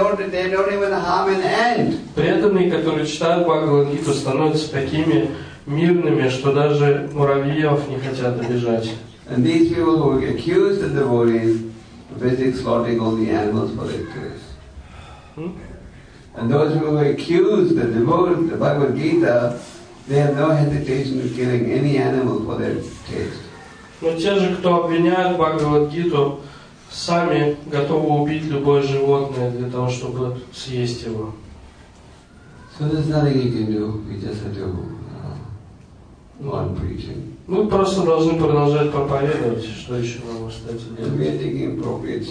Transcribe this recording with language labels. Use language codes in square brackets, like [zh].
[ru] При этом они, которые читают Бхагавад-гиту, становятся такими мирными, что даже муравьев не хотят обижать. [en] And those who accuse the devotees, the Bhagavad Gita, they have no hesitation in killing any animal for their taste. [ru] Но те же, кто обвиняют Бхагавад Гиту, сами готовы убить любое животное для того, чтобы съесть его. [en] So there's nothing you can do. You just have to go on preaching. [ru] Мы просто должны продолжать проповедовать, что еще нам остается делать.